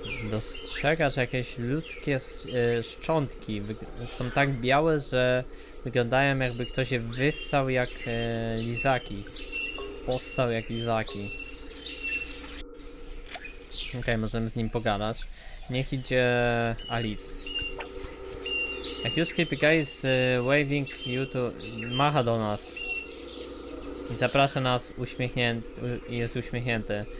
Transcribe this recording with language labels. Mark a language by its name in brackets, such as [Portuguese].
[Polish] Dostrzegasz jakieś ludzkie szczątki, są tak białe, że wyglądają jakby ktoś je wyssał jak lizaki. Possał jak lizaki. Okej, możemy z nim pogadać. Niech idzie Alice. [English] A huge creepy guy is waving you to... [Polish] macha do nas. I zaprasza nas, jest uśmiechnięty.